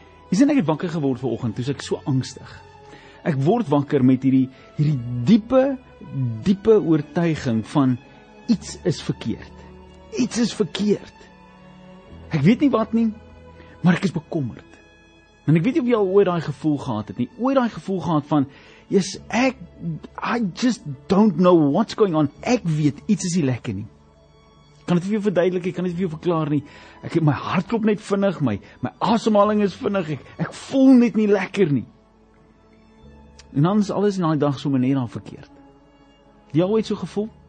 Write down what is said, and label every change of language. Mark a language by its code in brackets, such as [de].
[af] Jy sien, ek het wakker geword vanoggend, toe ek so angstig. Ek word wakker met hierdie diepe oortuiging van iets is verkeerd. Iets is verkeerd. Ek weet nie wat nie, maar ek is bekommerd. En ek weet nie of jy al ooit daai gevoel gehad het nie. Ooit daai gevoel gehad van [en] I just don't know what's going on. [af] Ek weet iets is nie lekker nie. Ek kan dit vir jou verduidelik, ek kan dit vir jou verklaar nie. Ek het my hart klop net vinnig, my asemhaling is vinnig. Ek voel net nie lekker nie. En dan is alles in daai dag sommer net dan verkeerd. Jy al ooit so gevoel?